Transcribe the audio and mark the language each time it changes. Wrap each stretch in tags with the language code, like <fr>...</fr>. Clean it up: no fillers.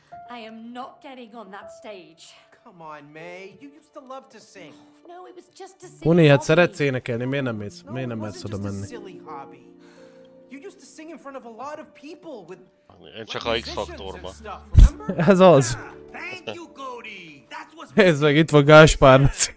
<en>I am not getting on that stage. Come on, May, you used to love to sing. No, it was just a silly hobby. Uni,</en> <hu>hát szeretsz énekelni, miért nem mész? Miért nem mész oda menni?</hu> <en>You used to sing in front of a lot of people with...</en> <hu>Én csak a X-faktorba. Ez az.</hu> <en>Thank you, Cody!</en> <hu>Nézd meg, itt van Gáspár.</hu>